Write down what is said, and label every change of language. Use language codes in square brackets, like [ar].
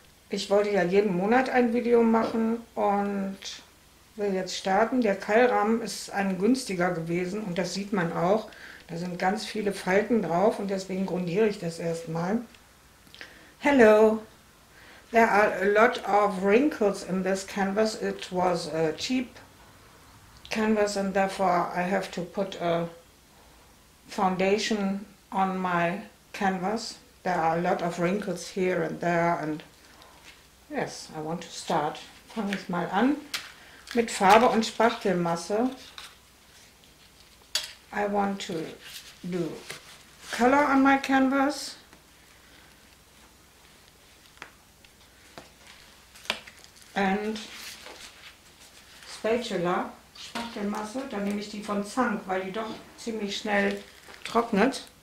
[de] Ich wollte ja jeden Monat ein Video machen und will jetzt starten. Der Keilrahmen ist ein günstiger gewesen und das sieht man auch. Da sind ganz viele Falten drauf und deswegen grundiere ich das erstmal. [en] Hello. There are a lot of wrinkles in this canvas. It was a cheap canvas and therefore I have to put a foundation on my canvas. There are a lot of wrinkles here and there and yes, I want to start. [de] Fange ich mal an mit Farbe und Spachtelmasse. [en] I want to do color on my canvas. And Spatula, [de] Spachtelmasse, dann nehme ich die von Zank, weil die doch ziemlich schnell trocknet.